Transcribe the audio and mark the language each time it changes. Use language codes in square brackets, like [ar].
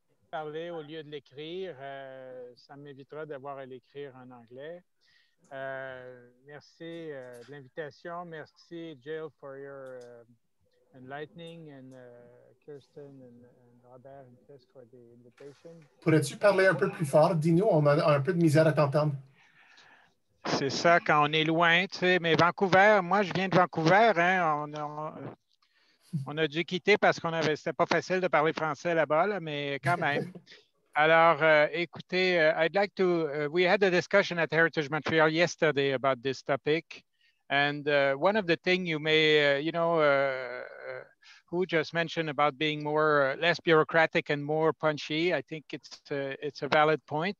[fr] Parler au lieu de l'écrire, ça m'évitera d'avoir à l'écrire en anglais. Merci de l'invitation. [en] Merci, Jill, for your enlightening and Kirsten and Robert and Chris for the invitation. [fr] Pourrais-tu parler un peu plus fort, Dino? On a un peu de misère à t'entendre. C'est ça, quand on est loin, tu sais. Mais Vancouver, moi, je viens de Vancouver. Hein, on a dû quitter parce qu'on avait, c'était pas facile de parler français là-bas, là, mais quand même. Alors, écoutez, [en] I'd like to, we had a discussion at Heritage Montreal yesterday about this topic. And one of the things you may, you know, who just mentioned about being more, less bureaucratic and more punchy, I think it's a valid point.